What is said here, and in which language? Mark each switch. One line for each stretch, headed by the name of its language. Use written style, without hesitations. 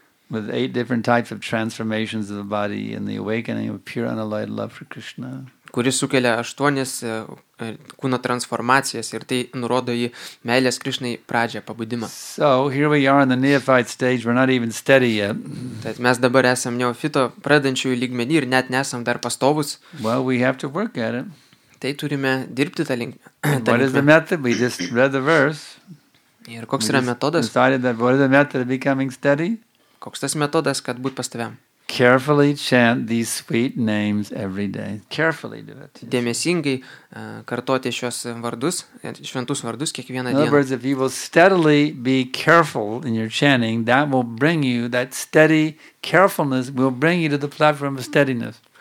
English: With 8 different types of transformations of the body in the awakening of pure unalloyed love for Krishna.
Lithuanian: Kuris sukelia 8 kūno transformacijas ir tai nurodo į meilės Krišnai pradžią, pabudimą.
English: So, here we are in the neophyte stage, we're not even steady yet.
Lithuanian: Tad mes dabar esam neofito pradančiųjų lygmenį ir net nesam dar pastovus.
English: Well, we have to work at it.
Lithuanian: Tai turime dirbti tą linkmę.
English: What is the method? We just read the verse.
Lithuanian: Ir koks yra metodas?
English: We decided that what is the method of becoming steady?
Lithuanian: Koks tas metodas, kad būt pastoviam?
English: Carefully chant these sweet names every day. Carefully do it.
Lithuanian: Dėmesingai kartoti šios vardus, šventus vardus kiekvieną dieną.
English: In other words, if you will steadily be careful in your chanting, that will bring you, that steady carefulness will bring you to the platform of steadiness.